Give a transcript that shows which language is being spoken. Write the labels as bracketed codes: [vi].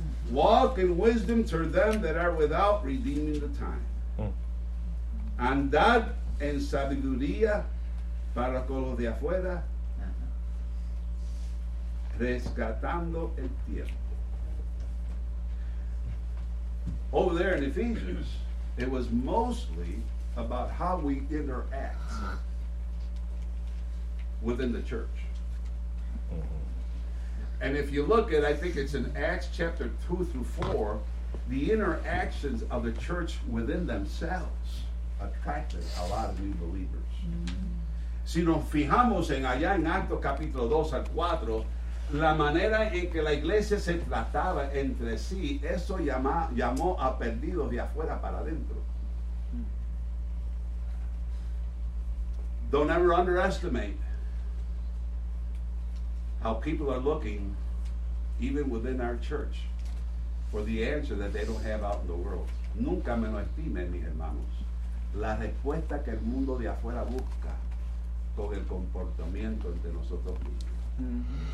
[en] Walk in wisdom to them that are without, redeeming the time. [es] Andad en sabiduría para con los de afuera, rescatando el tiempo. [en] Over there in Ephesians, it was mostly about how we interact within the church. And if you look at, I think it's in Acts chapter 2 through 4, the interactions of the church within themselves attracted a lot of new believers. [es] Si nos fijamos en allá en Actos capítulo 2 al 4, la manera en que la iglesia se trataba entre sí, eso llamó a perdidos de afuera para adentro. [en] Don't ever underestimate how people are looking, even within our church, for the answer that they don't have out in the world. [es] Nunca menospimen, mis hermanos, la respuesta que el mundo de afuera busca con el comportamiento entre nosotros mismos.